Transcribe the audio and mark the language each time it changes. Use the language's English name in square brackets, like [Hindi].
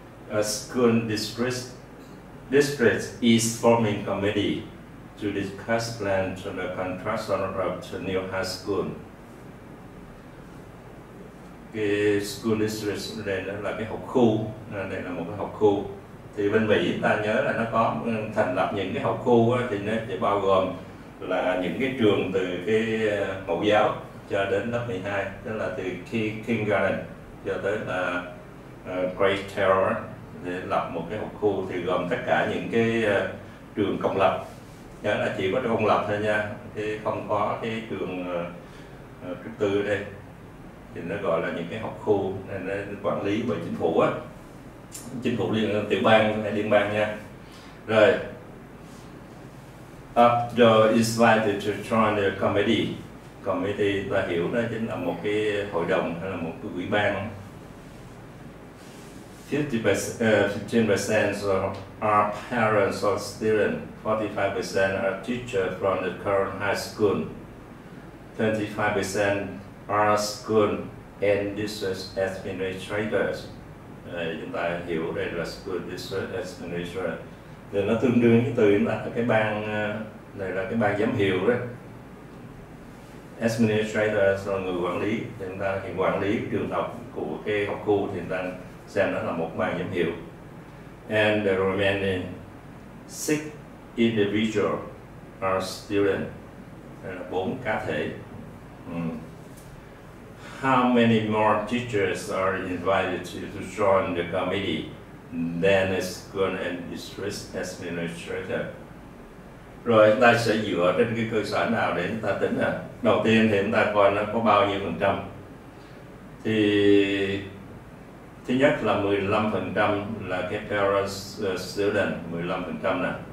[English] A school district is forming committee to discuss plans for the construction of the new high school. [Vietnamese] Cái school district này là cái học khu, đây là một cái học khu. Thì bên Mỹ ta nhớ là nó có thành lập những cái học khu đó, thì nó sẽ bao gồm là những cái trường từ cái mẫu giáo cho đến lớp 12, tức là từ kindergarten cho tới là grade 12, để lập một cái học khu thì gồm tất cả những cái trường công lập. Nhớ là chỉ có trường công lập thôi nha, thì không có cái trường cấp tư đây. Thì nó gọi là những cái học khu này, nó quản lý bởi chính phủ á, chính phủ liên tiểu bang hay liên bang nha. Rồi, [English] after invited to join the committee, [Vietnamese] committee ta hiểu đó chính là một cái hội đồng hay là một cái ủy ban. [English] 15% are parents or students, 45% are teachers from the current high school, 25% are school and district administrators. [Vietnamese] Chúng ta hiểu đây là school district administrator. Thì nó tương đương với từ là cái ban này là cái ban giám hiệu đấy. Administrator là người quản lý. Chúng ta thì quản lý trường học của cái học khu thì ta xem nó là một ban giám hiệu. [English] And the remaining 6 individuals are students. [Vietnamese] Đây là 4 cá thể. [English] How many more teachers are invited to join the committee than a school and district administrator? [Vietnamese] Rồi chúng ta sẽ dựa trên cái cơ sở nào để chúng ta tính à? Đầu tiên thì chúng ta coi nó có bao nhiêu phần trăm. Thì thứ nhất là 15% là cái parents student, 15% nè.